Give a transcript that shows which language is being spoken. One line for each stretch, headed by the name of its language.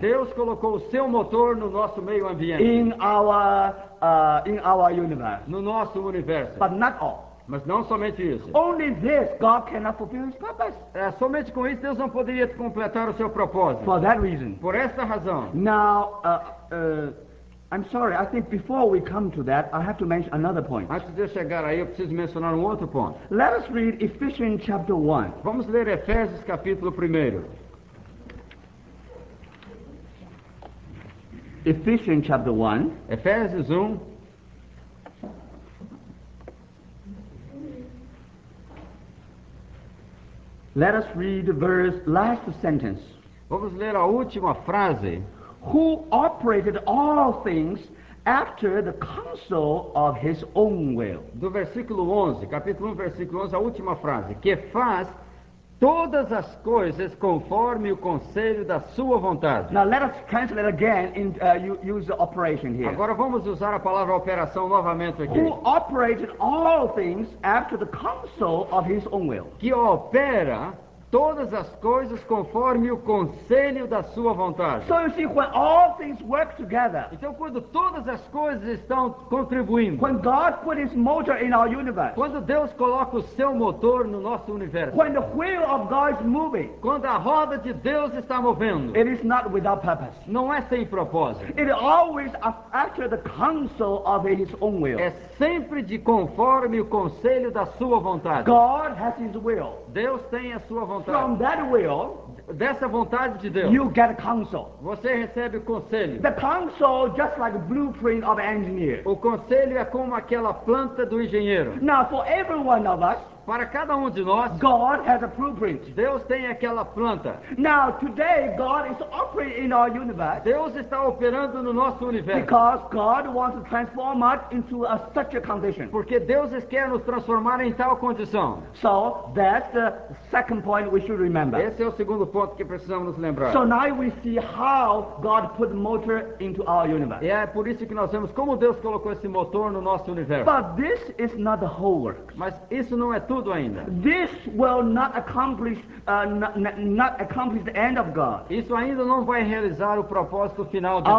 Portuguese: Deus colocou o seu motor no nosso meio ambiente.
English: In our universe.
Portuguese: No nosso universo.
English: But not all.
Portuguese: Mas não somente isso.
English: Only this, God cannot fulfill his purpose.
Portuguese: Somente com isso Deus não poderia completar o seu propósito.
English: For that reason.
Portuguese: Por essa razão.
English: Now, I'm sorry. I think before we come to that, I have to mention another point.
Portuguese: Antes de chegar aí, eu preciso mencionar um outro ponto.
English: Let us read Ephesians chapter 1.
Portuguese: Vamos ler Efésios capítulo 1.
English: Ephesians chapter 1.
Portuguese: Efésios 1.
English: Let us read the verse, last sentence.
Portuguese: Vamos ler a última frase.
English: Who operated all things after the counsel of his own will.
Portuguese: Do versículo 11, capítulo 1, versículo 11, a última frase. Que faz todas as coisas conforme o conselho da sua vontade.
English: Now let us translate again in use the operation here.
Portuguese: Agora vamos usar a palavra operação novamente aqui.
English: Who operated all things after the counsel of his own will.
Portuguese: Que opera todas as coisas conforme o conselho da sua vontade.
English: So you see, when all things work together.
Portuguese: Então quando todas as coisas estão contribuindo.
English: When God put his motor in our universe.
Portuguese: Quando Deus coloca o seu motor no nosso universo.
English: When the wheel of God is moving.
Portuguese: Quando a roda de Deus está movendo.
English: It is not without purpose.
Portuguese: Não é sem propósito.
English: It is always after the counsel of his own will.
Portuguese: É sempre de conforme o conselho da sua vontade.
English: God has his will.
Portuguese: Deus tem a sua vontade.
English: From that will,
Portuguese: dessa vontade de Deus,
English: you get counsel.
Portuguese: Você recebe o conselho.
English: The counsel just like a blueprint of an engineer.
Portuguese: O conselho é como aquela planta do engenheiro.
English: Now for every one of us,
Portuguese: para cada um de nós,
English: God has a blueprint.
Portuguese: Deus tem aquela planta.
English: Now today God is operating in our universe.
Portuguese: Deus está operando no nosso universo.
English: Because God wants to transform us into a such a condition.
Portuguese: Porque Deus quer nos transformar em tal condição.
English: So that's the second point we should remember.
Portuguese: Esse é o segundo ponto que precisamos nos lembrar.
English: So now we see how God put motor into our universe.
Portuguese: É por isso que nós vemos como Deus colocou esse motor no nosso universo.
English: But this is not the whole work.
Portuguese: Mas isso não é tudo ainda.
English: This will not accomplish not accomplish the end of God.
Portuguese: Isso ainda não vai realizar o propósito final de Deus.